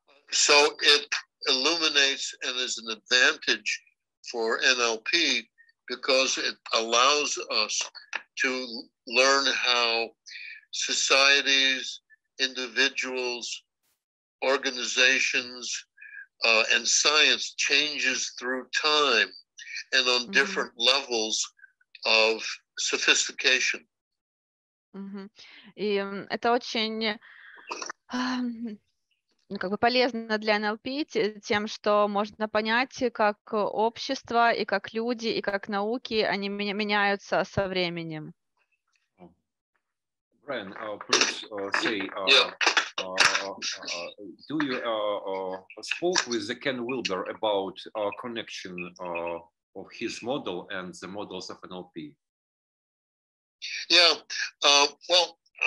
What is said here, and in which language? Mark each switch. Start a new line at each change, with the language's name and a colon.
English: So it illuminates and is an advantage for NLP because it allows us to learn how societies, individuals, organizations, and science changes through time and on different mm-hmm. levels of sophistication. Mm-hmm.
Russian: И это очень как бы полезно для NLP тем, что можно понять, как общество и как люди и как науки они меняются со временем.
English: Brian, do you spoke with Ken Wilber about connection of his model and the models of NLP? Yeah, well,